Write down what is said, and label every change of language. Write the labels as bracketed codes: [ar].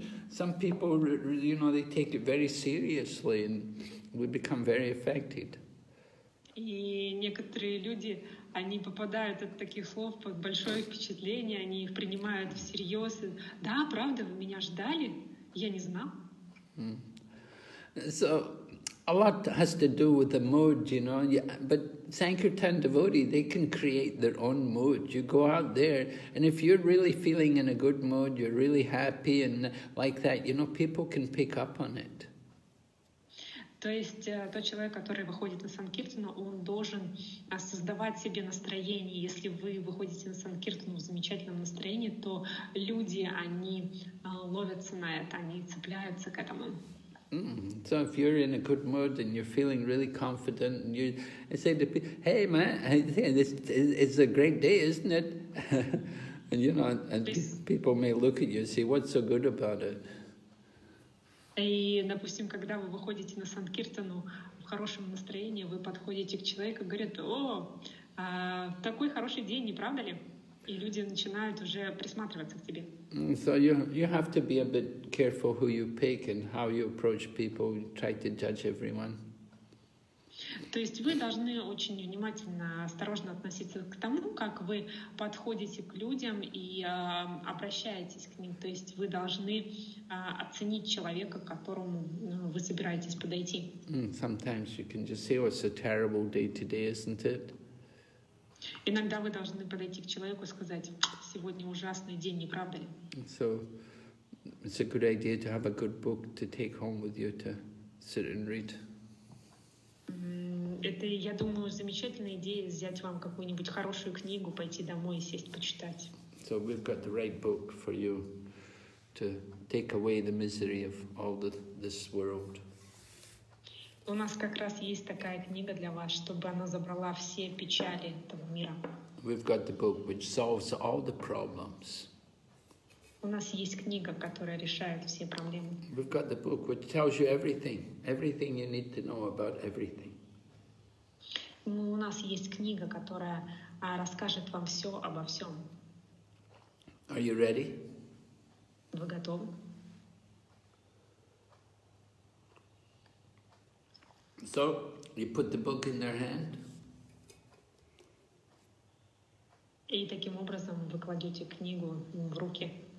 [en] Some people, you know, they take it very seriously and we become very affected. [ru] И некоторые люди, они попадают от таких слов под большое впечатление, они их принимают всерьез. Да, правда, вы меня ждали? Я не знал. [en] So, a lot has to do with the mood, you know, yeah, but Sankirtan devotee, they can create their own mood. You go out there, and if you're really feeling in a good mood, you're really happy and like that, you know, people can pick up on it. [ru] То есть тот человек, который выходит на Санкиртану, он должен создавать себе настроение. Если вы выходите на Санкиртану в замечательном настроении, то люди, они ловятся на это, они цепляются к этому. [en] So if you're in a good mood and you're feeling really confident, and you say to people, "Hey, man, it's a great day, isn't it?" And you know, and people may look at you and say, "What's so good about it?" [ru] И, допустим, когда вы выходите на Санкиртану в хорошем настроении, вы подходите к человеку и говорите, "О, такой хороший день, не правда ли?" И люди начинают уже присматриваться к тебе. [en] So you have to be a bit careful who you pick and how you approach people, try to judge everyone. [ru] То есть вы должны очень внимательно, осторожно относиться к тому, как вы подходите к людям и обращаетесь к ним. То есть вы должны оценить человека, к которому вы собираетесь подойти. [en] Sometimes you can just say, oh, it's a terrible day today, isn't it? [ru] Иногда вы должны подойти к человеку и сказать, сегодня ужасный день, не правда ли? [en] So it's a good idea to have a good book to take home with you to sit and read. [ru] Это, я думаю, замечательная идея взять вам какую-нибудь хорошую книгу, пойти домой и сесть почитать. [en] So we've got the right book for you to take away the misery of all this world. [ru] У нас как раз есть такая книга для вас, чтобы она забрала все печали этого мира. [en] We've got the book which solves all the problems. [ru] У нас есть книга, которая решает все проблемы. [en] We've got the book which tells you everything, everything you need to know about everything. [ru] Ну, у нас есть книга, которая расскажет вам все обо всем. [en] Are you ready? [ru] Вы готовы? [en] So, you put the book in their hand. [ru] И таким образом вы кладете книгу в руки.